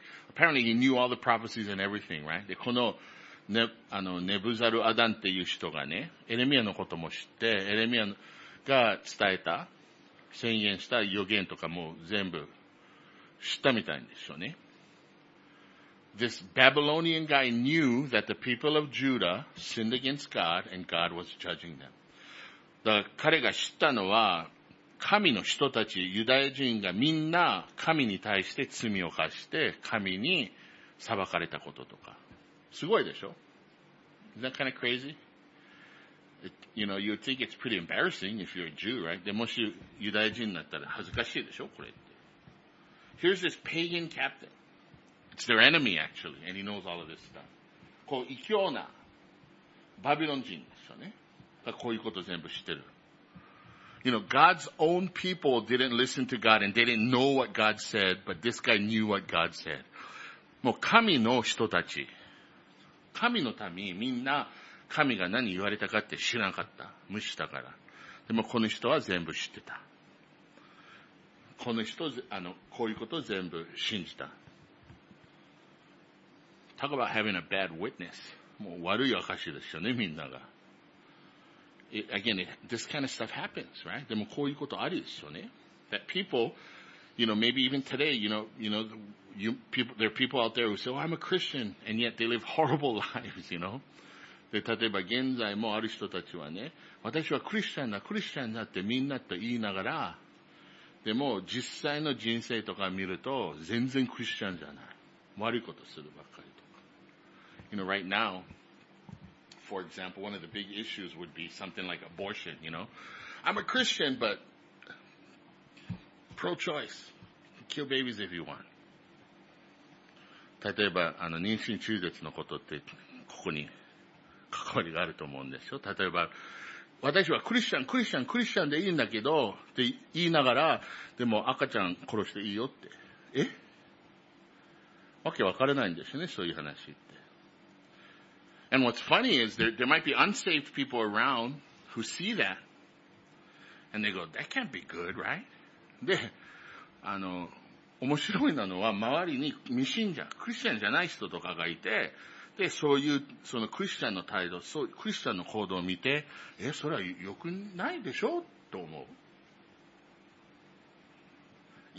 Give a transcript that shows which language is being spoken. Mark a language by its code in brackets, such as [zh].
[en] Apparently he knew all the prophecies and everything, right? [ja] で、このネブザルアダンっていう人がね、エレミアのことも知って、エレミアが伝えた、宣言した予言とかも全部知ったみたいんでしょうね。 [en] this Babylonian guy knew that the people of Judah sinned against God and God was judging them. [ja] だから彼が知ったのは、神の人たち、ユダヤ人がみんな神に対して罪を犯して神に裁かれたこととか。すごいでしょ? [en] Is that kind of crazy? You know, you'd think it's pretty embarrassing if you're a Jew, right? [ja] でもしユダヤ人になったら恥ずかしいでしょ? これって。 [en] Here's this pagan captain. It's their enemy, actually, and he knows all of this stuff. [ja] こう、異教なバビロン人ですよね。がこういうこと全部知ってる。 [en] You know, God's own people didn't listen to God and they didn't know what God said, but this guy knew what God said. [ja] もう神の人たち。神の民、みんな神が何言われたかって知らなかった。無視したから。でもこの人は全部知ってた。この人、こういうことを全部信じた。 [en] Talk about having a bad witness. [ja] もう悪い証ですよね、みんなが。 [en] This kind of stuff happens, right? [ja] でもこういうことあるですよね。 [en] That people, you know, maybe even today, people, there are people out there who say, oh, I'm a Christian, and yet they live horrible lives, you know? [ja] で、例えば現在もある人たちはね、私はクリスチャンだ、クリスチャンだってみんなと言いながら、でも実際の人生とか見ると全然クリスチャンじゃない。悪いことするばっかりとか。 [en] You know, right now,For example, one of the big issues would be something like abortion, you know. I'm a Christian, but pro-choice. Kill babies if you want. [ja] 例えば、妊娠中絶のことって、ここに関わりがあると思うんですよ。例えば、私はクリスチャンでいいんだけど、って言いながら、でも赤ちゃん殺していいよって。え? わけわからないんですよね、そういう話。 [en] And what's funny is there might be unsaved people around who see that. And they go, that can't be good, right? [ja] で、面白いなのは周りに未信者、クリスチャンじゃない人とかがいて、で、そういう、そのクリスチャンの態度、そう、クリスチャンの行動を見て、え、それは良くないでしょと思う。